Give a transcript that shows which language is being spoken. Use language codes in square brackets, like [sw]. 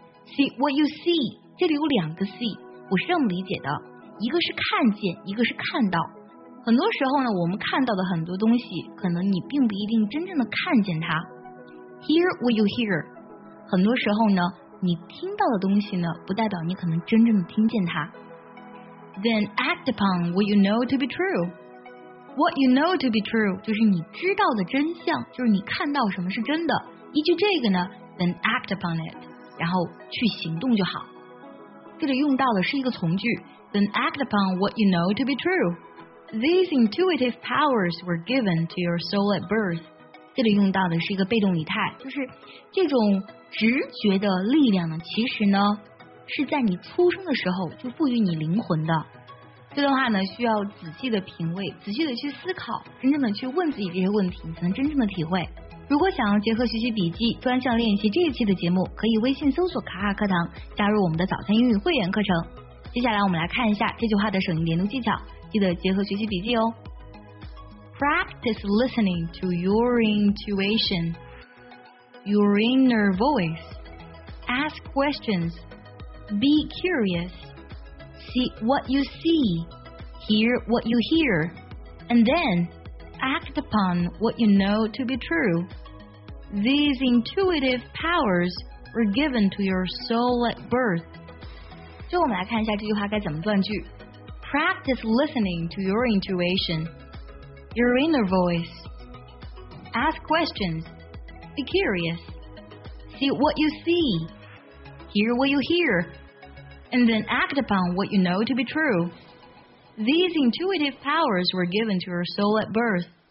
[en] See what you see [zh] 这里有两个 see， 我是这么理解的。一个是看见，一个是看到。很多时候呢，我们看到的很多东西，可能你并不一定真正的看见它。 [en] Hear what you hear， [zh] 很多时候呢，你听到的东西呢，不代表你可能真正的听见它。 [en] Then act upon what you know to be true. What you know to be true [zh] 就是你知道的真相，就是你看到什么是真的。依据这个呢 ， [en] then act upon it， [zh] 然后去行动就好。这里用到的是一个从句。 [en] Then act upon what you know to be true. These intuitive powers were given to your soul at birth. [zh] 这里用到的是一个被动语态，就是这种直觉的力量呢，其实呢是在你出生的时候就赋予你灵魂的。这段话呢需要仔细的品味，仔细的去思考，真正的去问自己这些问题，你才能真正的体会。如果想要结合学习笔记专项练习这一期的节目，可以微信搜索卡卡课堂，加入我们的早餐英语会员课程。接下来我们来看一下这句话的省音连读技巧，记得结合学习笔记哦。 [en] Practice listening to your intuition, your inner voice. Ask questions, be curious. See what you see, hear what you hear, and then act upon what you know to be true. These intuitive powers were given to your soul at birth. [zh] 就我们来看一下这句话该怎么断句。 [en] Practice listening to your intuition, your inner voice. Ask questions, be curious. See what you see, hear what you hear, and then act upon what you know to be true. These intuitive powers were given to your soul at birth.